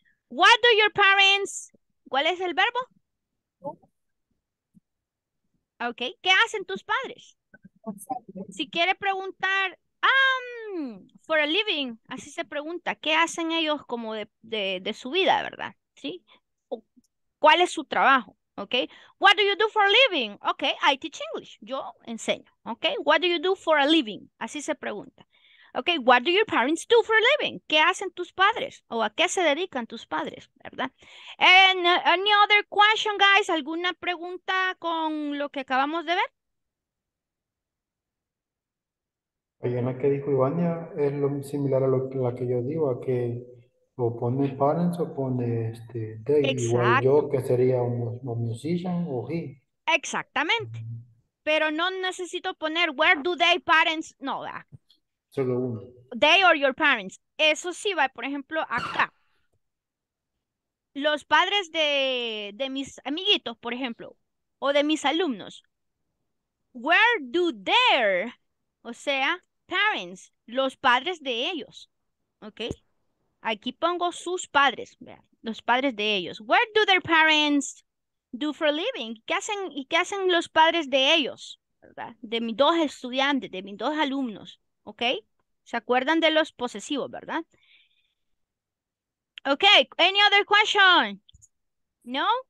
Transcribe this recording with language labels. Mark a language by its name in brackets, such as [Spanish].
[English] What do your parents, [Spanish] ¿cuál es el verbo? Okay, ¿qué hacen tus padres? Si quiere preguntar, [English] for a living, [Spanish] así se pregunta, ¿qué hacen ellos como de su vida, verdad? ¿Sí? O, ¿cuál es su trabajo? [English] Okay, what do you do for a living? Okay, I teach English, [Spanish] yo enseño. [English] Okay, what do you do for a living? [Spanish] Así se pregunta. [English] Okay, what do your parents do for a living? [Spanish] ¿Qué hacen tus padres? ¿O a qué se dedican tus padres, verdad? [English] And any other question, guys? [Spanish] ¿Alguna pregunta con lo que acabamos de ver? Sí, Oye, la que dijo Ivania es lo similar a lo que, la que yo digo, a que o pone parents o pone este they, igual yo que sería un musician o he. Exactamente. Pero no necesito poner [English] where do they parents, [Spanish] no, ¿verdad? Solo uno. [English] They or your parents. [Spanish] Eso sí va, por ejemplo, acá. Los padres de mis amiguitos, por ejemplo, o de mis alumnos. [English] Where do their, [Spanish] o sea, parents, los padres de ellos, ¿ok? Aquí pongo sus padres, vean, los padres de ellos. [English] Where do their parents do for a living? [Spanish] ¿Y qué hacen los padres de ellos, verdad? De mis dos estudiantes, de mis dos alumnos, ¿ok? ¿Se acuerdan de los posesivos, verdad? [English] Ok, any other question? No?